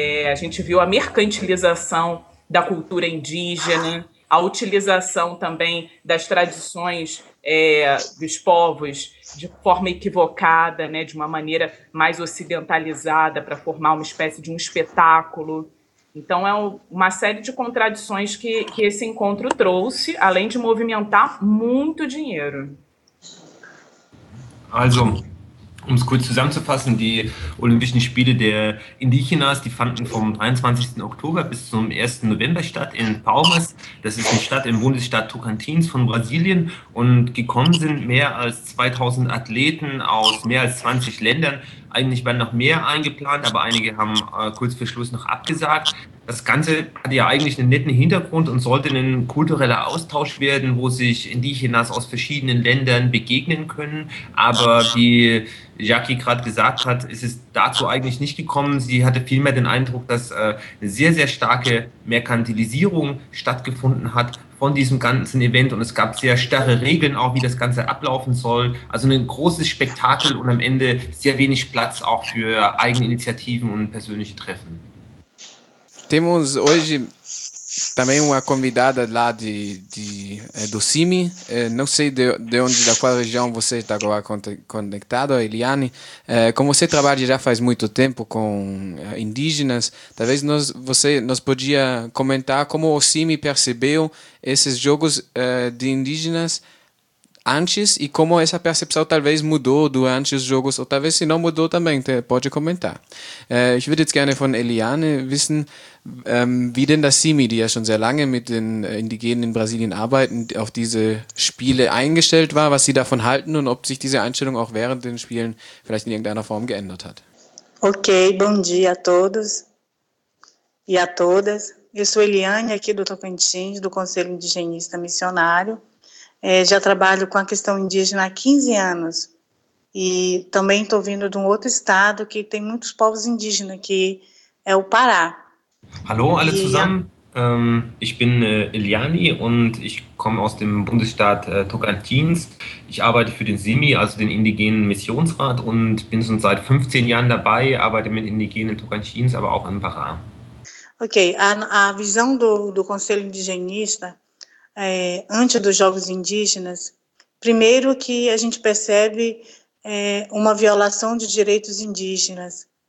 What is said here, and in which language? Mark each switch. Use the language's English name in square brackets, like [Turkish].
[Portuguese] a gente viu a mercantilização da cultura indígena, a utilização também das tradições dos povos de forma equivocada, né, de uma maneira mais ocidentalizada para formar uma espécie de um espetáculo. Então, é uma série de contradições que esse encontro trouxe, além de movimentar muito dinheiro. [German] Also, es kurz zusammenzufassen, die Olympischen Spiele der Indigenas, die fanden vom 23. Oktober bis zum 1. November statt in Palmas. Das ist eine Stadt im Bundesstaat Tocantins von Brasilien. Und gekommen sind mehr als 2000 Athleten aus mehr als 20 Ländern. Eigentlich waren noch mehr eingeplant, aber einige haben kurz vor Schluss noch abgesagt. Das Ganze hat ja eigentlich einen netten Hintergrund und sollte ein kultureller Austausch werden, wo sich Indigenas aus verschiedenen Ländern begegnen können. Aber wie Jackie gerade gesagt hat, ist es dazu eigentlich nicht gekommen. Sie hatte vielmehr den Eindruck, dass eine sehr, sehr starke Merkantilisierung stattgefunden hat von diesem ganzen Event. Und es gab sehr starre Regeln auch, wie das Ganze ablaufen soll. Also ein großes Spektakel und am Ende sehr wenig Platz auch für Eigeninitiativen und persönliche Treffen. [Portuguese] Temos hoje também uma convidada lá do CIMI, não sei de onde, da qual região você está agora conectado, Eliane. Como você trabalha já faz muito tempo com indígenas, talvez você podia comentar como o CIMI percebeu esses jogos de indígenas antes e como essa percepção talvez mudou durante os jogos, ou talvez se não mudou também, pode comentar. Ich würde jetzt gerne von Eliane wissen, wie denn das CIMI, die ja schon sehr lange mit den Indigenen in Brasilien arbeiten, auf diese Spiele eingestellt war, was sie davon halten und ob sich diese Einstellung auch während den Spielen vielleicht in irgendeiner Form geändert hat. Okay, bom dia a todos e a todas. Eu sou Eliane, aqui do Tocantins, do Conselho Indigenista Missionário. Já trabalho com a questão indígena há 15 anos e também estou vindo de um outro estado que tem muitos povos indígenas, que é o Pará. [German] Hallo alle zusammen, ich bin Eliani und ich komme aus dem Bundesstaat Tocantins. Ich arbeite für den CIMI, also den Indigenen Missionsrat, und bin schon seit 15 Jahren dabei, arbeite mit Indigenen in Tocantins, aber auch in Pará. [Portuguese] Okay, a visão do Conselho Indigenista, antes dos Jogos Indígenas, primeiro que a gente percebe uma violação de direitos indígenas.